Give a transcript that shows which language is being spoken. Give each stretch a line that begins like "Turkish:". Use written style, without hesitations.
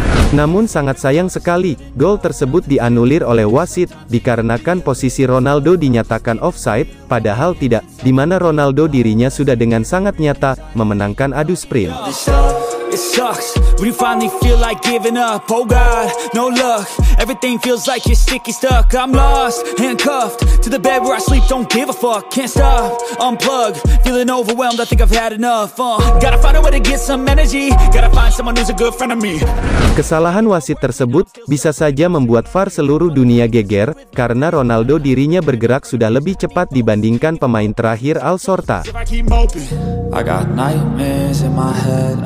Indonesian: Namun sangat sayang sekali, gol tersebut dianulir oleh wasit, dikarenakan posisi Ronaldo dinyatakan offside, padahal tidak, di mana Ronaldo dirinya sudah dengan sangat nyata memenangkan adu sprint.
English: It sucks when you finally feel like giving up. Oh God, no luck. Everything feels like you're sticky stuck. I'm lost, handcuffed to the bed where I sleep. Don't give a fuck. Can't stop, unplug. Feeling overwhelmed. I think I've had enough. Gotta find a way to get some energy. Gotta find someone who's a good friend of me.
Indonesian: Kesalahan wasit tersebut bisa saja membuat VAR seluruh dunia geger karena Ronaldo dirinya bergerak sudah lebih cepat dibandingkan pemain terakhir Al Sorta.
English: I got nightmares in my head.